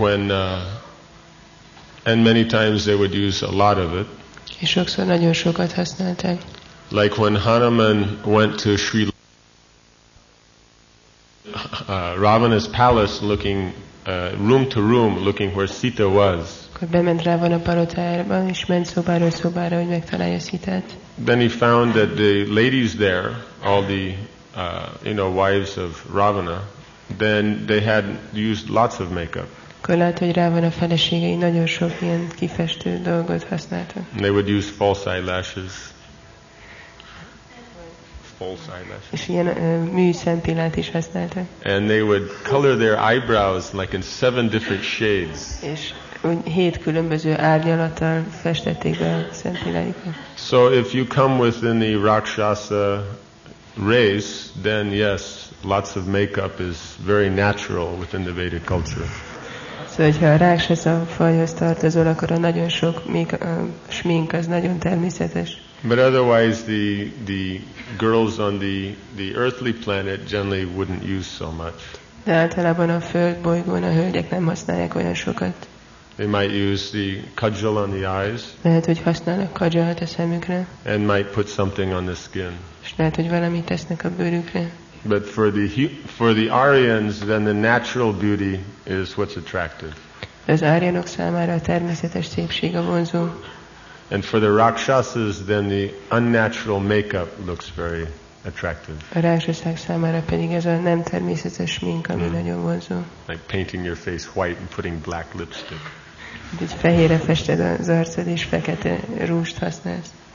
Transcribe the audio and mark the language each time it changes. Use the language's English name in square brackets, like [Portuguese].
[English] When many times they would use a lot of it. [Hungarian] És sokszor nagyon sokat használták. [English] Like when Hanuman went to Sri Ravana's palace looking room to room looking where Sita was. [Hungarian] Bement Ravana palotájába, és ment szobáról szobára, hogy megtalálja Sitát. [English] Then he found that the ladies there, all the wives of Ravana, then they had used lots of makeup. [Hungarian] Akkor látta, hogy Ravana feleségei nagyon sok ilyen kifestő dolgot használtak. [English] They would use false eyelashes. False eyelashes. [Hungarian] És ilyen műszempillát is használtak. [English] And they would color their eyebrows like in 7 different shades. [Hungarian] És 7 különböző árnyalattal festették be a szempilláikat. [English] So if you come within the Rakshasa race, then yes, lots of makeup is very natural within the Vedic culture. [Hungarian] Szóval, hogyha a Rakshasa fajhoz tartozol, akkor a nagyon sok smink az nagyon természetes. [English] But otherwise the girls on the earthly planet generally wouldn't use so much. [Hungarian] De általában a föld bolygón a hölgyek nem használják olyan sokat. [English] They might use the kajal on the eyes. [Hungarian] Lehet, hogy használnak kajalt a szemükre. [English] And might put something on the skin. [Hungarian] És lehet, hogy valamit tesznek a bőrükre. [English] But for the Aryans, then the natural beauty is what's attractive. [Hungarian] Az árjanok számára a természetes szépség a vonzó. [English] And for the rakshasas, then the unnatural makeup looks very attractive. [Hungarian] A rakshasák számára pedig ez a nem természetes mink, ami nagyon vonzó. [English] Like painting your face white and putting black lipstick. [Hungarian] Így fehérre fested az arcod és fekete rúst használsz.